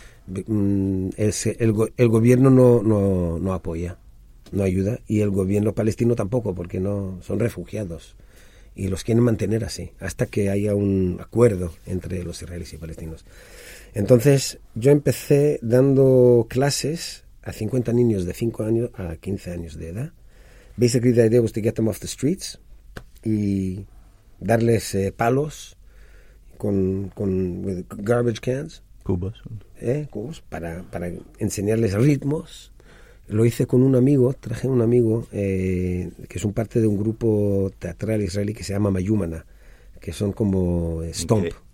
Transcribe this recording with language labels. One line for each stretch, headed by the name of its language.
Spanish: El gobierno no apoya, no ayuda, y el gobierno palestino tampoco, porque no son refugiados. Y los quieren mantener así, hasta que haya un acuerdo entre los israelíes y palestinos. Entonces, yo empecé dando clases a 50 niños de 5 años a 15 años de edad.
English: Basically, the idea was to get them off the streets
Spanish: y darles palos,
English: with garbage cans.
Spanish: Cubas. Cubas, para enseñarles ritmos. Lo hice con un amigo, traje un amigo, que es un parte de un grupo teatral israelí que se llama Mayumana, que son como stomp.